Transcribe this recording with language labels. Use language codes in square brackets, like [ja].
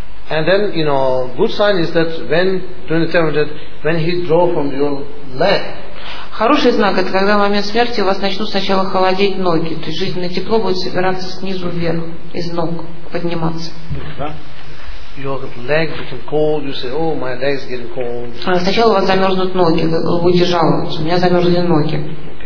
[en] And then, you know, good sign is that when during the time that when he draw from your leg. [ru] Хороший знак это когда в момент смерти у вас начнут сначала холодеть ноги, то есть жизненное тепло будет собираться снизу вверх из ног подниматься. [en] Your leg become cold. You say, oh, my leg is getting cold. [ru] Сначала у вас замерзнут ноги, вы будете жаловаться, у меня замерзли ноги.